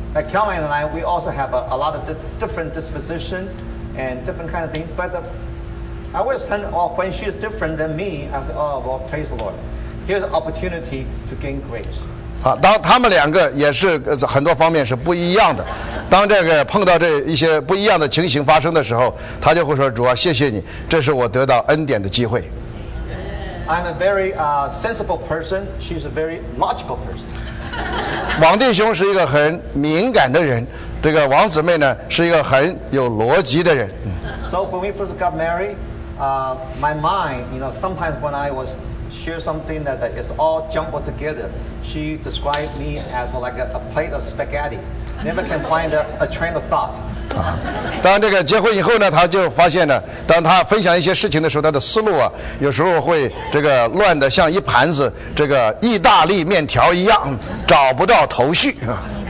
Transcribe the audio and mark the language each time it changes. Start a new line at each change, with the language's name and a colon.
English: Calvin and I, we also have a lot of different disposition and different kind of things. But I always turn off when she's different than me. I say, "Oh, well, praise the Lord. Here's an opportunity to gain grace."
Chinese: 当他们两个也是很多方面是不一样的，当这个碰到这一些不一样的情形发生的时候，他就会说：“主啊，谢谢你，这是我得到恩典的机会。”
English: I'm a very sensible person. She's a very logical person.
Chinese: 王弟兄是一个很敏感的人，这个王姊妹呢是一个很有逻辑的人。
English: So when we first got married, my mind, you know, sometimes when I was share something that is all jumbled together, she described me as like a plate of spaghetti, never can find a train of thought. 啊。
Chinese: 当这个结婚以后呢，他就发现呢，当他分享一些事情的时候，他的思路啊，有时候会这个乱得像一盘子这个意大利面条一样，找不到头绪啊。